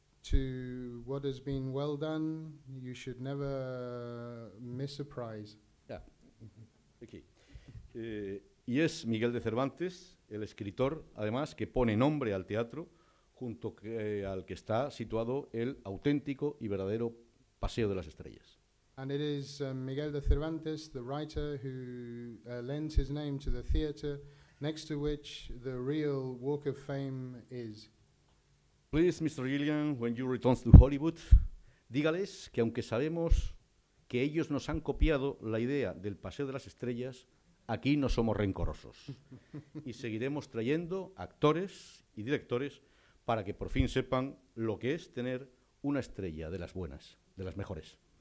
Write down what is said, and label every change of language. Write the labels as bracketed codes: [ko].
[en] To what has been well done, you should never miss a prize. Yeah. Okay. [es] Y es Miguel de Cervantes, el escritor, además, que pone nombre al teatro junto al que está situado el auténtico y verdadero Paseo de las Estrellas. [en] And it is Miguel de Cervantes, the writer, who lends his name to the theater next to which the real Walk of Fame is. Please, Mr. [es] Gilliam, [en] when you return to Hollywood, [es] dígales que aunque sabemos que ellos nos han copiado la idea del Paseo de las Estrellas, aquí no somos rencorosos y seguiremos trayendo actores y directores para que por fin sepan lo que es tener una estrella de las buenas, de las mejores.